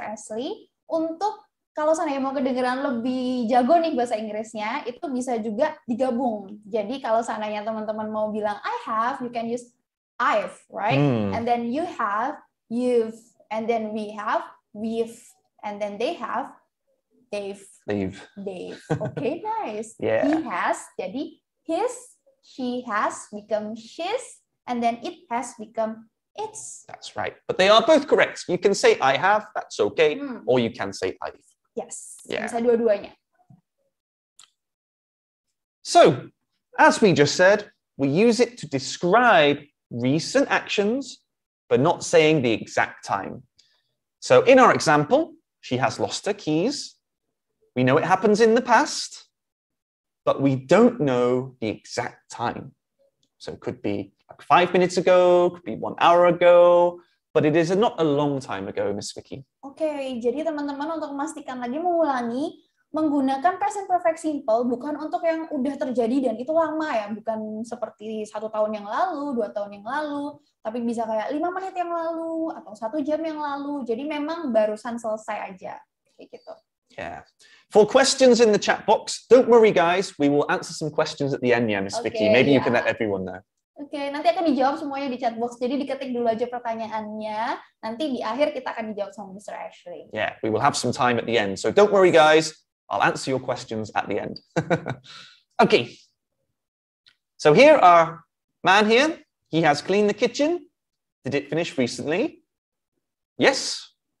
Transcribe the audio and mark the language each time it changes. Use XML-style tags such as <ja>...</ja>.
<id>Ashley untuk kalau seandainya mau kedengeran lebih jago nih bahasa Inggrisnya, itu bisa juga digabung. Jadi kalau seandainya teman-teman mau bilang</id> <en>I have, you can use I've, right? And then you have, you've, and then we have, we've, and then they have, they've. Okay, nice. Yeah. He has,</en> <id>jadi</id> <en>his, she has become she's, and then it has become it's. That's right. But they are both correct. You can say I have, that's okay, or you can say I've.</en> <id>Yes, yeah. Bisa dua-duanya.</id> <en>So, as we just said, we use it to describe recent actions, but not saying the exact time. So in our example, she has lost her keys. We know it happens in the past, but we don't know the exact time. So it could be like 5 minutes ago, could be 1 hour ago, but it is not a long time ago, Miss Vicky.</en> <id>Okay, jadi teman-teman untuk memastikan lagi mengulangi, menggunakan present perfect simple bukan untuk yang udah terjadi dan itu lama ya, bukan seperti 1 tahun yang lalu, 2 tahun yang lalu, tapi bisa kayak 5 menit yang lalu atau 1 jam yang lalu. Jadi memang barusan selesai aja, kayak gitu.</id> <en>Yeah. For questions in the chat box, don't worry, guys. We will answer some questions at the end, yeah, Miss Vicky. Maybe you can let everyone know.</en> <id>Okay, nanti akan dijawab semuanya di chat box. Jadi diketik dulu aja pertanyaannya. Nanti di akhir kita akan dijawab sama Mr. Ashley.</id> <en>Yeah, we will have some time at the end. So don't worry, guys. I'll answer your questions at the end. Okay. So here are man here. He has cleaned the kitchen. Did it finish recently? Yes.</en>